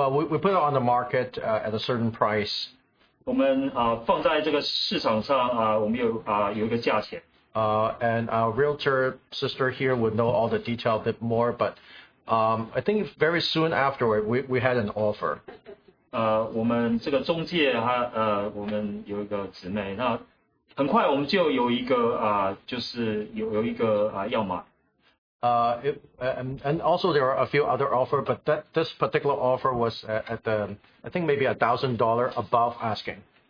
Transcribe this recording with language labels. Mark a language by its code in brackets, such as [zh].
[en] We put it on the market at a certain price. [zh] 我们, 放在这个市场上, 我们有, 有一个价钱。 [en] And our realtor sister here would know all the detail a bit more, but I think very soon afterward, we had an offer. [zh] 我们这个中介他, 我们有一个姊妹, 那很快我们就有一个, 就是有一个, 要买。 [en] And also there are a few other offers, but this particular offer was at the, I think maybe $1,000 above asking.